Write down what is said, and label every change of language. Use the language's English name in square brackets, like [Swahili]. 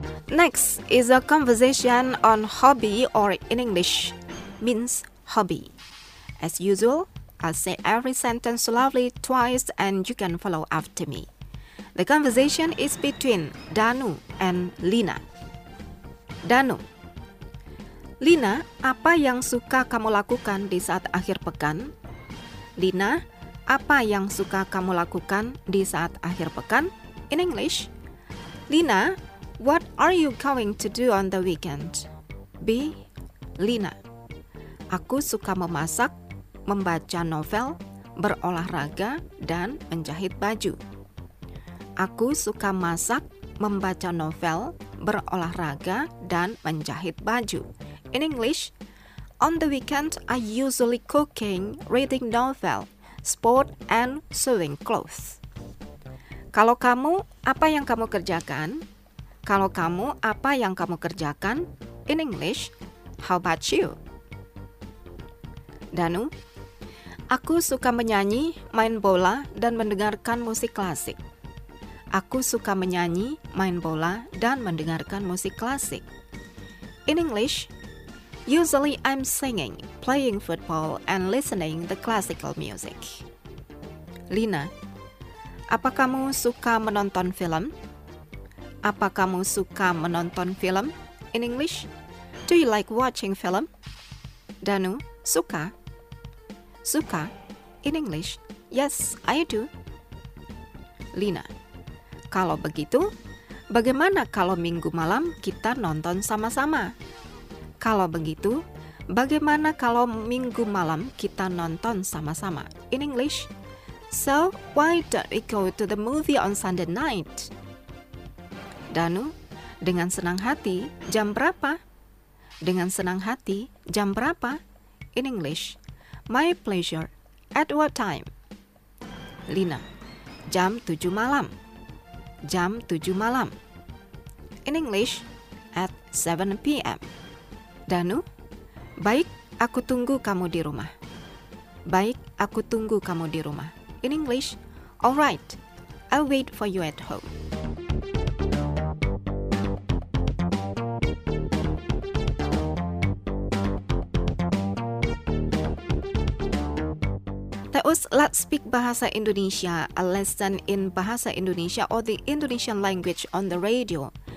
[English] Next is a conversation on hobby, or in English, means hobby. As usual, I'll say every sentence slowly twice and you can follow after me. The conversation is between Danu and Lina. Danu. [Indonesian] Lina, apa yang suka kamu lakukan di saat akhir pekan? Lina, apa yang suka kamu lakukan di saat akhir pekan? [English] In English, Lina, what are you going to do on the weekend? B. Lina. [Indonesian] Aku suka memasak, membaca novel, berolahraga, dan menjahit baju. Aku suka masak, membaca novel, berolahraga, dan menjahit baju. [English] In English, on the weekend, I usually cooking, reading novel, sport, and sewing clothes. [Indonesian] Kalau kamu, apa yang kamu kerjakan? Kalau kamu, apa yang kamu kerjakan? [English] In English, how about you? [Indonesian] Danu, aku suka menyanyi, main bola, dan mendengarkan musik klasik. Aku suka menyanyi, main bola, dan mendengarkan musik klasik. [English] In English, usually I'm singing, playing football, and listening the classical music. [Indonesian] Lina, apa kamu suka menonton film? Apa kamu suka menonton film? [English] In English, do you like watching film? Danu, [Indonesian] suka? Suka? [English] In English, yes, I do. [Indonesian] Lina, kalau begitu, bagaimana kalau minggu malam kita nonton sama-sama? Kalau begitu, bagaimana kalau minggu malam kita nonton sama-sama? [English] In English, so why don't we go to the movie on Sunday night? [Indonesian] Danu, dengan senang hati, jam berapa? Dengan senang hati, jam berapa? [English] In English, my pleasure, at what time? [Indonesian] Lina, jam 7 malam. Jam 7 malam. [English] In English, at 7 p.m. [Indonesian] Danu, baik, aku tunggu kamu di rumah. Baik, aku tunggu kamu di rumah. [English] In English, all right, I'll wait for you at home. Let's speak Bahasa Indonesia, a lesson in Bahasa Indonesia or the Indonesian language on the radio.